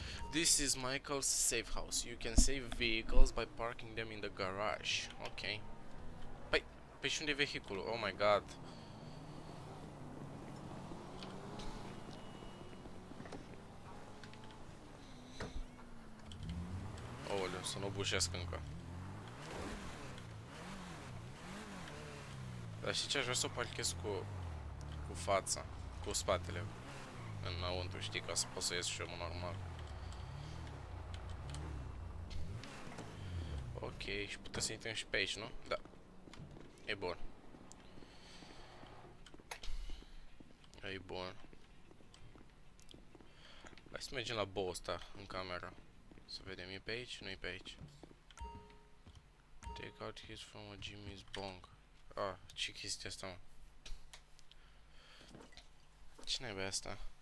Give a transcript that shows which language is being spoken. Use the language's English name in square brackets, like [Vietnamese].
[English] This is Michael's safe house. You can save vehicles by parking them in the garage. Ok. [Romanian] Păi, pe și unde e vehiculul? [English] Oh my god. [Romanian] Oleu, să nu bușesc încă. Dar știi ce? Aș vrea să o parchez cu fața, cu spatele înăuntru, știi, ca să pot să ies și eu normal. Ok, și putem să intrăm și pe aici, nu? Da. E bun. E bun. Hai să mergem la boss ăsta în camera. Să vedem, e pe aici? Nu-i pe aici. [English] Take out his from a Jimmy's bong. [Romanian] Ah, ce chestie asta, mă? Cine e asta?